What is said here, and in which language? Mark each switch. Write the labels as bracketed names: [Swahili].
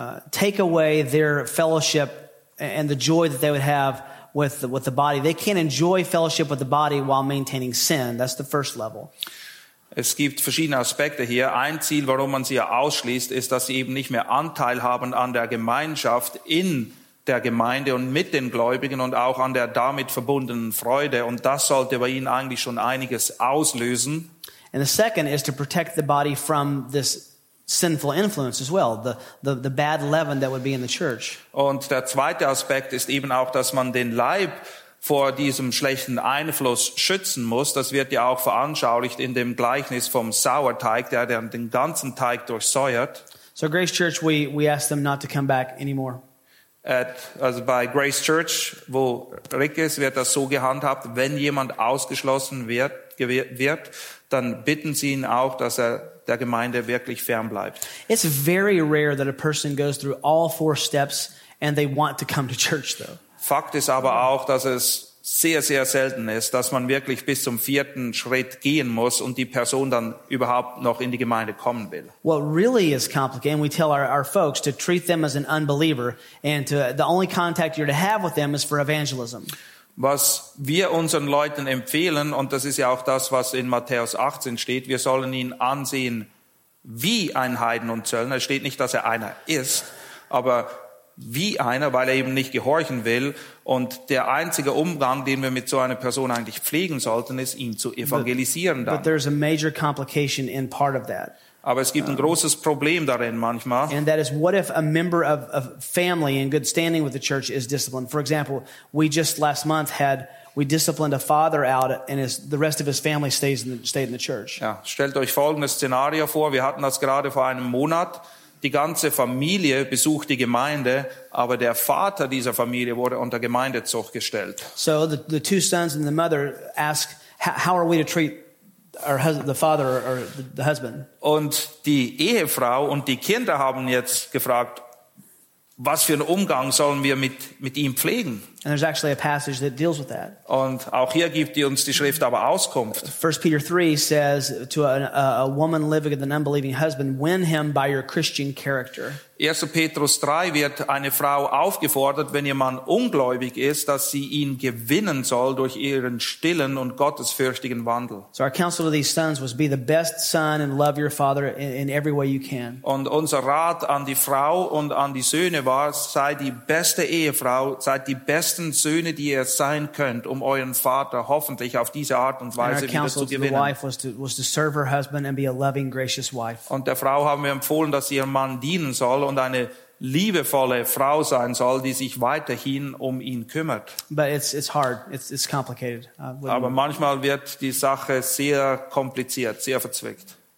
[English] take away their fellowship and the joy that they would have with the body. They can't enjoy fellowship with the body while maintaining sin. That's the first level. [German] Es gibt verschiedene Aspekte hier. Ein Ziel, warum man sie ausschließt, ist, dass sie eben nicht mehr Anteil haben an der Gemeinschaft in der Gemeinde und mit den Gläubigen und auch an der damit verbundenen Freude. Und das sollte bei ihnen eigentlich schon einiges auslösen. [English] And the second is to protect the body from this sinful influence as well, the bad leaven that would be in the church. [German] Und der zweite Aspekt ist eben auch, dass man den Leib vor diesem schlechten Einfluss schützen muss. Das wird ja auch veranschaulicht in dem Gleichnis vom Sauerteig, der den ganzen Teig durchsäuert. [English] So Grace Church, we ask them not to come back anymore. [German] Also bei Grace Church, wo Rick ist, wird das so gehandhabt, wenn jemand ausgeschlossen wird, dann bitten sie ihn auch, dass er der Gemeinde wirklich fern bleibt. [English] It's very rare that a person goes through all four steps and they want to come to church though. [German] Fakt ist aber auch, dass es sehr, sehr selten ist, dass man wirklich bis zum vierten Schritt gehen muss und die Person dann überhaupt noch in die Gemeinde kommen will. [English] What really is complicated, and we tell our folks to treat them as an unbeliever, and to, the only contact you're to have with them is for evangelism. [German] Was wir unseren Leuten empfehlen, und das ist ja auch das, was in Matthäus 18 steht, wir sollen ihn ansehen wie ein Heiden und Zöllner. Es steht nicht, dass er einer ist, aber wie einer, weil er eben nicht gehorchen will. Und der einzige Umgang, den wir mit so einer Person eigentlich pflegen sollten, ist, ihn zu evangelisieren dann. [English] But there's a major complication in part of that. [German] Aber es gibt ein großes Problem darin manchmal. [English] And that is, what if a member of a family in good standing with the church is disciplined? For example, we just last month had, we disciplined a father out and his, the rest of his family stayed in the church. [German] Ja, stellt euch folgendes Szenario vor. Wir hatten das gerade vor einem Monat. Die ganze Familie besucht die Gemeinde, aber der Vater dieser Familie wurde unter Gemeindezug gestellt. [English] So the two sons and the mother ask, how are we to treat our husband, the father or the husband? [German] Und die Ehefrau und die Kinder haben jetzt gefragt, was für einen Umgang sollen wir mit ihm pflegen? [English] And there's actually a passage that deals with that. [German] Und auch hier gibt die uns die Schrift aber Auskunft. [English] 1 Peter 3 says to a woman living with an unbelieving husband, win him by your Christian character. [German] 1. Petrus 3 wird eine Frau aufgefordert, wenn ihr Mann ungläubig ist, dass sie ihn gewinnen soll durch ihren stillen und gottesfürchtigen Wandel. [English] So our counsel to these sons was, be the best son and love your father in every way you can. [German] Und unser Rat an die Frau und an die Söhne war, sei die beste Ehefrau, sei die besten Söhne, die ihr sein könnt, um euren Vater hoffentlich auf diese Art und Weise wieder zu gewinnen. [English] And our counsel to the wife was to serve her husband and be a loving, gracious wife. [German] Und der Frau haben wir empfohlen, dass sie ihrem Mann dienen soll und eine liebevolle Frau sein soll, die sich weiterhin um ihn kümmert. [English] But it's hard. It's complicated. [German] Aber manchmal wird die Sache sehr kompliziert, sehr verzwickt.